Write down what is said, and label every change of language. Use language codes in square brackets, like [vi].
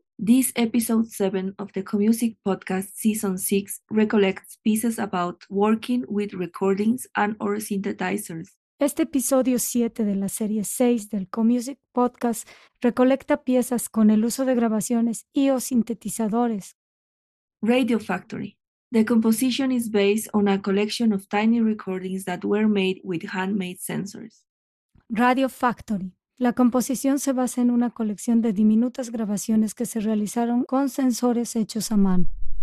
[en] This episode 7 of the Comusic podcast season 6 recollects pieces about working with recordings and or synthesizers. [es] Este episodio 7 de la serie 6 del Comusic podcast recolecta piezas con el uso de grabaciones y o sintetizadores. [en] Radio Factory. The composition is based on a collection of tiny recordings that were made with handmade sensors. Radio Factory. [es] La composición se basa en una colección de diminutas grabaciones que se realizaron con sensores hechos a mano.